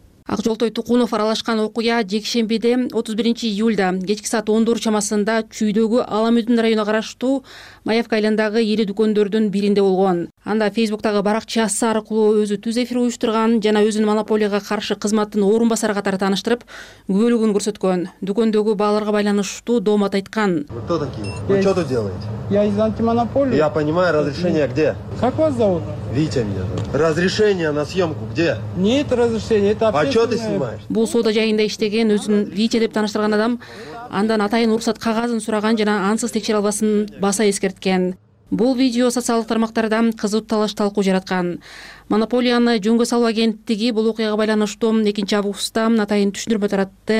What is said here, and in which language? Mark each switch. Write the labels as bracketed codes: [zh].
[ky] Акжолтой Тукунов аралашкан окуя жекшембиде 31 июлда кечки саат 14 чамасында Чүйдөгү Аламүдүн районуна караштуу Маевка айылындагы ири дүкөндөрдүн биринде болгон. Анда Facebookтагы баракчасы аркылуу өзү түз эфир уюштурган жана өзүн монополияга каршы кызматтын орун басары катары тааныштырып, күбөлүгүн көрсөткөн. Дүкөндөгү бааларга байланыштуу доомат айткан. [ru] Кто такие? Вы что тут делаете? Я из антимонополии. Я понимаю, разрешение где? Как вас зовут? Витя меня зовут. Разрешение на съемку где? Нет разрешения, это общественное. А что ты снимаешь? [ky] Бул соода жайында иштеген өзүн Витя деп тааныштырган адам андан атайын уруксат кагазын сураган жана ансыз текшере албасын баса эскерткен. Бул видео социалдык тармактарда кызуу талаш талкуу жараткан. Монополияны жөнгө салуу агенттиги бул окуяга байланыштуу 2 августта атайын түшүндүрмө таратты.